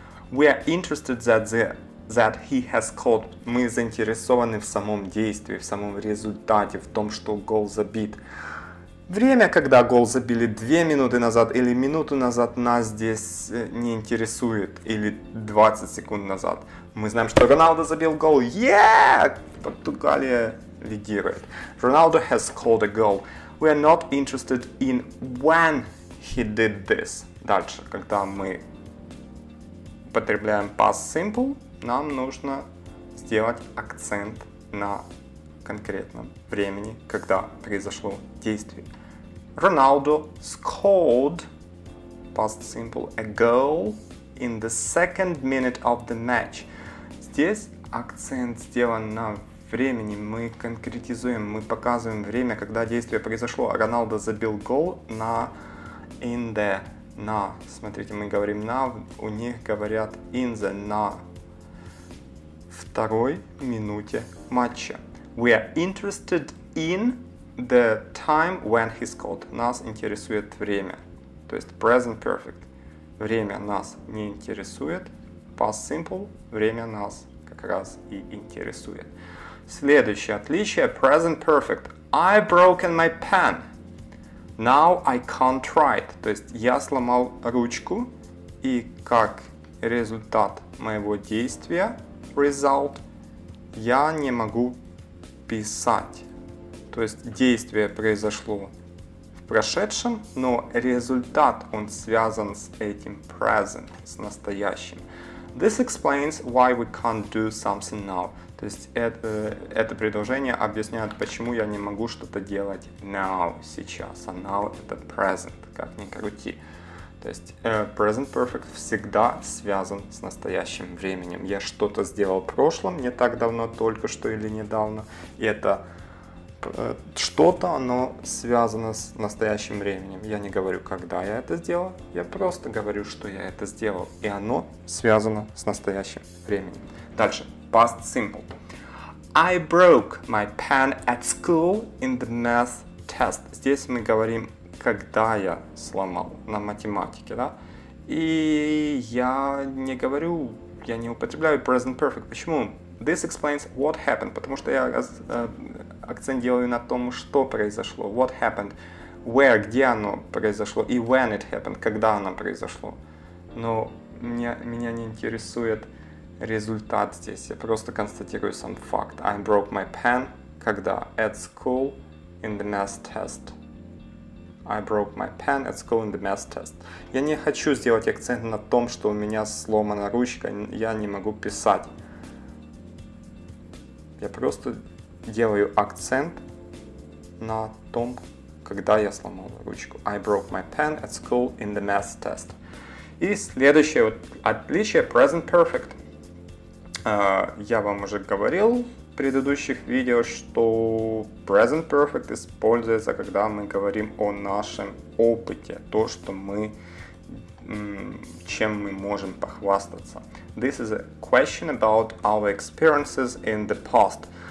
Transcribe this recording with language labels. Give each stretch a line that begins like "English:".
English: We are interested that the that he has scored.
Russian: Мы заинтересованы в самом действии, в самом результате, в том, что гол забит. Время, когда гол забили 2 минуты назад или минуту назад, нас здесь не интересует. Или 20 секунд назад. Мы знаем, что Роналдо забил гол.
English: Yeah!
Russian: Португалия лидирует.
English: Ronaldo has scored a goal. We are not interested in when he did this.
Russian: Дальше, когда мы употребляем past simple, нам нужно сделать акцент на конкретном времени, когда произошло действие.
English: Ronaldo scored, past simple, a goal in the second minute of the match.
Russian: Здесь акцент сделан на времени. Мы конкретизуем, мы показываем время, когда действие произошло. Ronaldo забил гол на
English: in the,
Russian: на. Смотрите, мы говорим на, у них говорят
English: in the,
Russian: на. Второй минуте матча.
English: We are interested in the time when he scored.
Russian: Нас интересует время. То есть present perfect. Время нас не интересует.
English: Past simple.
Russian: Время нас как раз и интересует. Следующее отличие.
English: Present perfect. I broken my pen. Now I can't write.
Russian: То есть я сломал ручку. И как результат моего действия, result, я не могу писать. То есть действие произошло в прошедшем, но результат, он связан с этим present, с настоящим.
English: This explains why we can't do something now.
Russian: То есть это предложение объясняет, почему я не могу что-то делать now, сейчас. А now — это present, как ни крути. То есть present perfect всегда связан с настоящим временем. Я что-то сделал в прошлом, не так давно, только что или недавно. И это что-то, оно связано с настоящим временем. Я не говорю, когда я это сделал, я просто говорю, что я это сделал. И оно связано с настоящим временем. Дальше. Past simple.
English: I broke my pen at school in the math test.
Russian: Здесь мы говорим, когда я сломал на математике, да? И я не говорю, я не употребляю present perfect. Почему?
English: This explains what happened.
Russian: Потому что я акцент делаю на том, что произошло.
English: What happened? Where?
Russian: Где оно произошло? И
English: when it happened?
Russian: Когда оно произошло? Но меня не интересует результат здесь. Я просто констатирую сам факт.
English: I broke my pen.
Russian: Когда?
English: At school in the math test. I broke my pen at school in the math test.
Russian: Я не хочу сделать акцент на том, что у меня сломана ручка, я не могу писать. Я просто делаю акцент на том, когда я сломал ручку.
English: I broke my pen at school in the math test.
Russian: И следующее вот отличие – present perfect. Я вам уже говорил в предыдущих видео, что present perfect используется, когда мы говорим о нашем опыте, то, что мы, чем мы можем похвастаться.
English: This is a question about our experiences in the past.